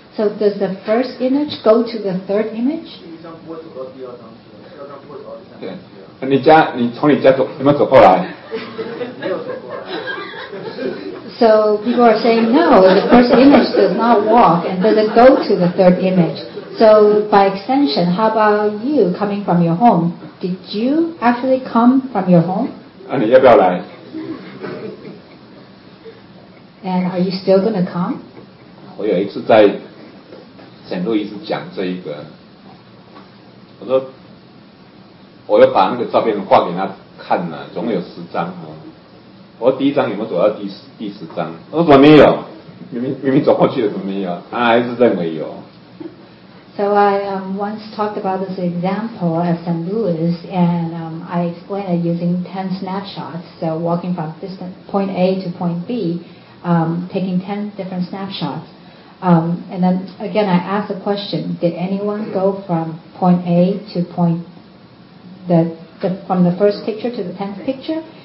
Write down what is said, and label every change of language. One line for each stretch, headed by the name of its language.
English: So does the first image go to the third image? Yeah.
Chinese: 你从你家走有没有走过来？
English: So people are saying, no, the first image does not walk and doesn't go to the third image. So by extension, how about you coming from your home? Did you actually come from your home?
Chinese: 你要不要来？
English: And are you still going to come?
Chinese: 我有一次在圣路易斯讲这一个，我说我要把那个照片画给他看了，总有十张啊。我说第一张有没有走到第十张？我说怎么没有？明明走过去了，怎么没有？他还是认为有。
English: So I once talked about this example at St. Louis, and I explained it using 10 snapshots. So walking from point A to point B, taking 10 different snapshots. And then again, I asked the question: did anyone go from point A to point from the first picture to the 10th picture?